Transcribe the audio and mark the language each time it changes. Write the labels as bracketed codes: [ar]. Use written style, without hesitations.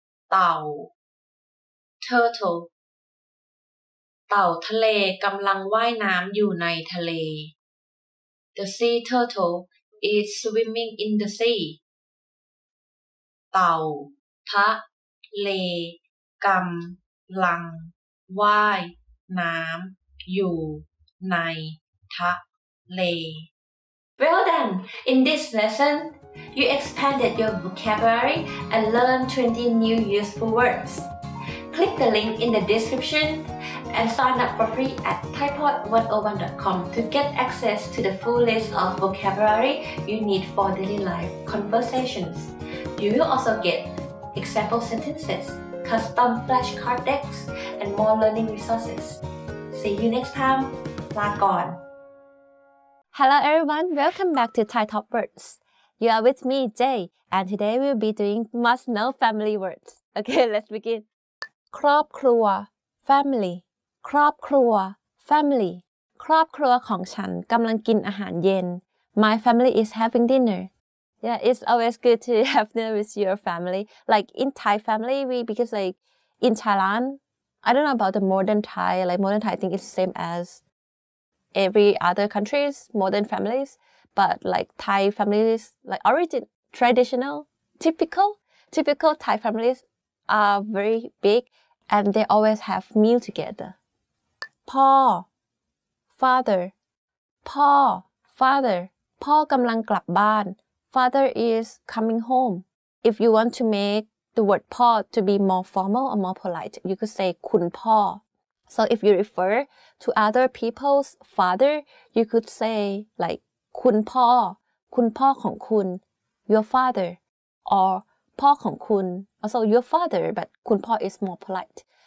[th] เต่า turtle เต่าทะเลกำลังว่ายน้ำอยู่ในทะเล [en] the sea turtle is swimming in the sea [th] เต่าทะเลกำลังว่ายน้ำอยู่ในทะเล [en] Well then, in this lesson, you expanded your vocabulary and learned 20 new useful words. Click the link in the description and sign up for free at thaipod101.com to get access to the full list of vocabulary you need for daily life conversations. You will also get example sentences. Custom flashcard decks and more learning resources. See you next time. Lạc gòn. Hello everyone, welcome back to Thai Top Words. You are with me, Jay, and today we'll be doing must know family words. Okay, let's begin. ครอบครัว family. [th] ครอบครัว family. ครอบครัวของฉันกำลังกินอาหารเย็น. [en] My family is having dinner. Yeah, it's always good to have dinner with your family. Like in Thai family, because like in Thailand, I don't know about the modern Thai, like modern Thai, I think it's the same as every other country's modern families. But like Thai families, like origin, traditional, typical Thai families are very big and they always have meal together. Pa, father. Pa, father. [th] Pa กำลังกลับบ้าน [en] Father is coming home. If you want to make the word pa to be more formal or more polite, you could say kun pa. So if you refer to other people's father, you could say like kun pa, [th] kun pa kong kun, [en] your father, or [th] pa kong kun, [en] also your father, but kun pa is more polite.